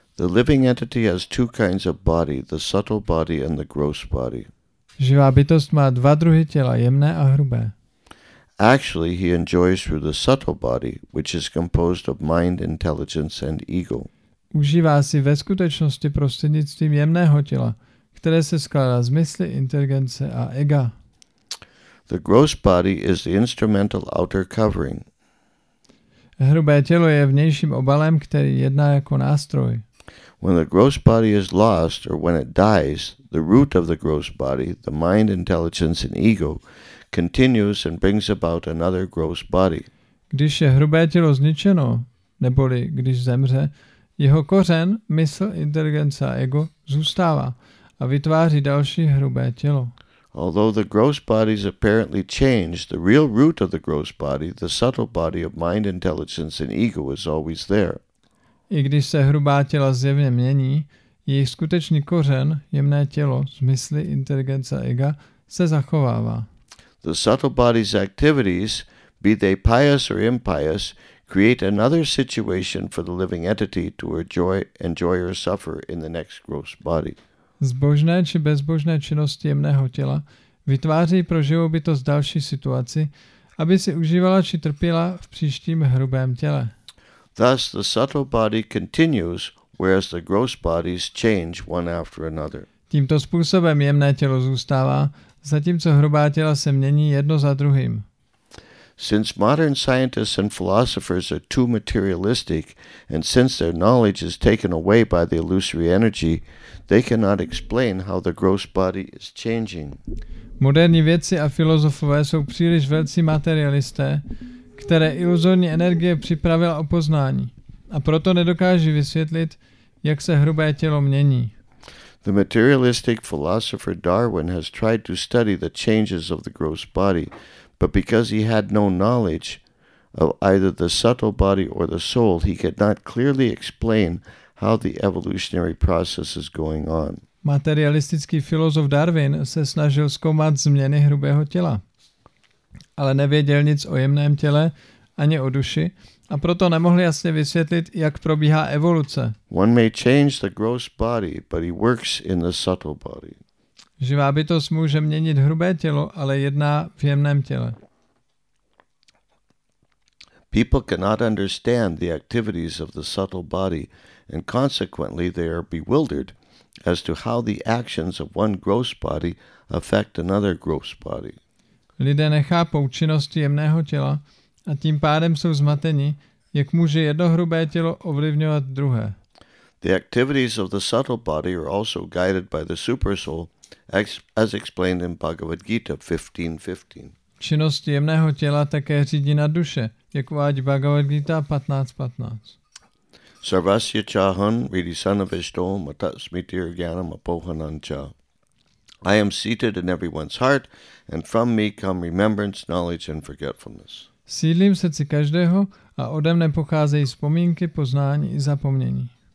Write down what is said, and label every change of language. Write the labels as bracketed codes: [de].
[en] The living entity has two kinds of body, the subtle body and the gross body. [cs] Živá bytost má dva druhy těla, jemné a hrubé. [en] Actually, he enjoys through the subtle body, which is composed of mind, intelligence and ego. [cs] Užívá si ve skutečnosti prostřednictvím jemného těla, které se skládá z mysli, inteligence a ega. [en] The gross body is the instrumental outer covering. [cs] Hrubé tělo je vnějším obalem, který jedná jako nástroj. [en] When the gross body is lost or when it dies, the root of the gross body, the mind, intelligence and ego, continues and brings about another gross body. [cs] Když je hrubé tělo zničeno, neboli když zemře, jeho kořen, mysl, inteligence a ego zůstává a vytváří další hrubé tělo. [en] Although the gross bodies apparently change, the real root of the gross body, the subtle body of mind, intelligence and ego, is always there. [cs] I když se hrubá těla zjevně mění, jejich skutečný kořen, jemné tělo, smysly, inteligence a ega, se zachovává. [en] The subtle body's activities, be they pious or impious, create another situation for the living entity to enjoy or suffer in the next gross body. [cs] Zbožné či bezbožné činnosti jemného těla vytváří pro živobytost další situaci, aby si užívala či trpěla v příštím hrubém těle. [en] Thus, the subtle body continues, whereas the gross bodies change one after another. [cs] Tímto způsobem jemné tělo zůstává, zatímco hrubá těla se mění jedno za druhým. [en] Since modern scientists and philosophers are too materialistic, and since their knowledge is taken away by the illusory energy, they cannot explain how the gross body is changing. [cs] Moderní vědci a filozofové jsou příliš velcí materialisté, které iluzorní energie připravila o poznání. A proto nedokáží vysvětlit, jak se hrubé tělo mění. [en] The materialistic philosopher Darwin has tried to study the changes of the gross body, but because he had no knowledge of either the subtle body or the soul, he could not clearly explain how the evolutionary process is going on. [cs] Materialistický filozof Darwin se snažil zkoumat změny hrubého těla, ale nevěděl nic o jemném těle ani o duši a proto nemohl jasně vysvětlit, jak probíhá evoluce. [en] One may change the gross body, but he works in the subtle body. [cs] Živá bytost může měnit hrubé tělo, ale jedná v jemném těle. [en] People cannot understand the activities of the subtle body and consequently they are bewildered as to how the actions of one gross body affect another gross body. [cs] Lidé nechápou činnosti jemného těla a tím pádem jsou zmateni, jak může jedno hrubé tělo ovlivňovat druhé. [en] The activities of the subtle body are also guided by the supersoul, as explained in Bhagavad Gita 15:15. [cs] Činnosti jemného těla také řídí na duše, jak uvádí Bhagavad Gita 15:15. [sa] Sarvasya chahan vidi sanavishto matasmitir gyanam apohanancha. [en] I am seated in everyone's heart, and from me come remembrance, knowledge, and forgetfulness. [cs] Sídlím v srdci každého a ode mne pocházejí vzpomínky, poznání i zapomnění.